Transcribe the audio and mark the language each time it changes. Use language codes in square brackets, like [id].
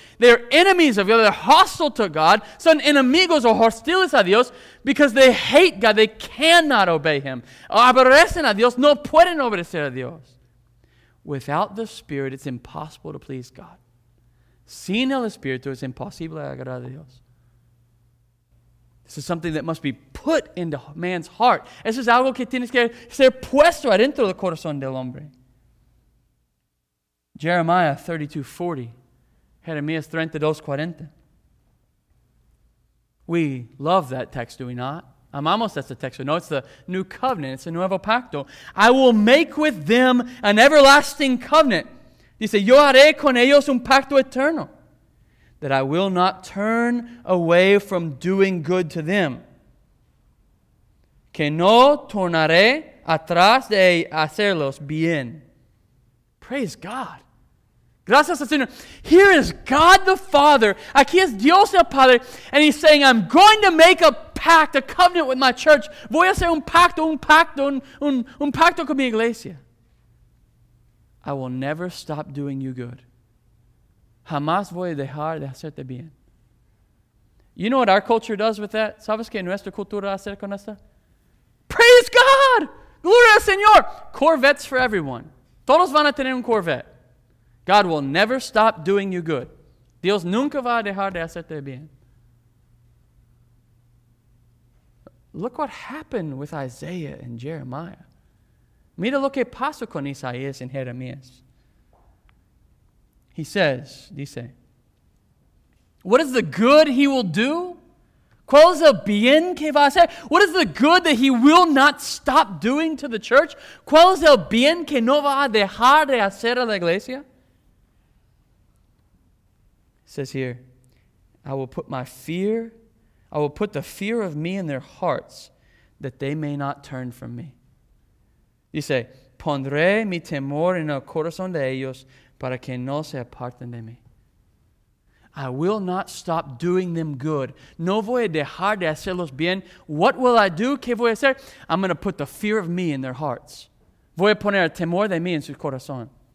[en] They are enemies of God. They're hostile to God. [es] Son enemigos o hostiles a Dios [en] because they hate God. They cannot obey Him. [es] Aborrecen a Dios. No pueden obedecer a Dios. [en] Without the Spirit, it's impossible to please God. [es] Sin el Espíritu, es imposible agradar a Dios. [en] This is something that must be put into man's heart. [es] Eso es algo que tienes que ser puesto adentro del corazón del hombre. [en] Jeremiah 32:40. Jeremías 32:40. We love that text, do we not? [es] Amamos ese texto. [en] No, it's the new covenant. It's the nuevo pacto. I will make with them an everlasting covenant. [es] Dice, yo haré con ellos un pacto eterno. [en] That I will not turn away from doing good to them. [es] Que no tornaré atrás de hacerlos bien. [en] Praise God. [es] Gracias al Señor. [en] Here is God the Father. [es] Aquí es Dios el Padre. [en] And he's saying, I'm going to make a pact, a covenant with my church. [es] Voy a hacer un pacto con mi iglesia. [en] I will never stop doing you good. [es] Jamás voy a dejar de hacerte bien. [en] You know what our culture does with that? [es] ¿Sabes qué nuestra cultura hace con esta? [en] Praise God! [es] Gloria al Señor! [en] Corvettes for everyone. [es] Todos van a tener un Corvette. [en] God will never stop doing you good. [es] Dios nunca va a dejar de hacerte bien. [en] Look what happened with Isaiah and Jeremiah. [es] Mira lo que pasó con Isaías y Jeremías. [en] He says, [es] dice, [en] what is the good he will do? [es] ¿Cuál es el bien que va a hacer? [en] What is the good that he will not stop doing to the church? [es] ¿Cuál es el bien que no va a dejar de hacer a la iglesia? [en] It says here, I will put the fear of me in their hearts that they may not turn from me. You say, [es] pondré mi temor en el corazón de ellos para que no se aparten de mí. [en] I will not stop doing them good. [es] No voy a dejar de hacerlos bien. [en] What will I do? [es] ¿Qué voy a hacer? [en] I'm going to put the fear of me in their hearts. [es] Voy a poner el temor de mí en su corazón.